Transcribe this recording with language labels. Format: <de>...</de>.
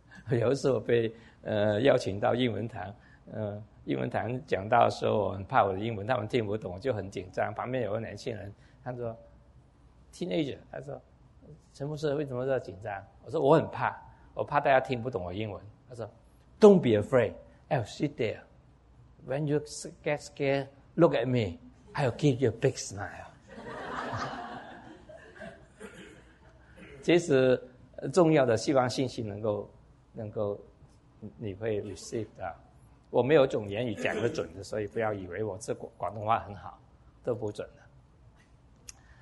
<zh>有一次我被邀请到英文堂，英文堂讲到的时候，我很怕我的英文他们听不懂，我就很紧张。旁边有个年轻人，他说 teenager， 他说陈牧师为什么这么紧张？我说我很怕，我怕大家听不懂我英文。他说</zh> <en>Don't be afraid， I'll sit there。 When you get scared, look at me. I'll give you a big smile.</en> <zh>其实重要的希望信息能够你会 receive 的。我没有种言语讲得准的，所以不要以为我这广东话很好，都不准的。</zh>